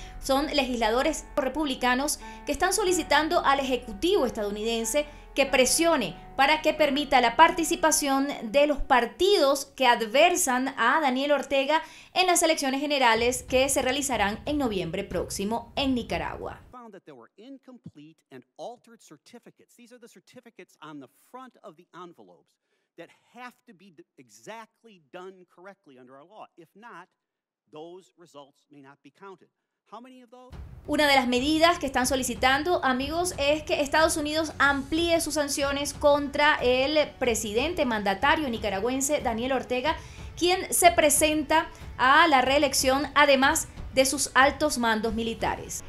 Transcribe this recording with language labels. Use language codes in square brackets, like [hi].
[es] Son legisladores republicanos que están solicitando al Ejecutivo estadounidense que presione para que permita la participación de los partidos que adversan a Daniel Ortega en las elecciones generales que se realizarán en noviembre próximo en Nicaragua. [en] That there were incomplete and altered certificates. These are the certificates on the front of the envelopes that have to be exactly done correctly under our law. If not, those results may not be counted. How many of those? [es] Una de las medidas que están solicitando, amigos, es que Estados Unidos amplíe sus sanciones contra el presidente mandatario nicaragüense Daniel Ortega, quien se presenta a la reelección, además de sus altos mandos militares.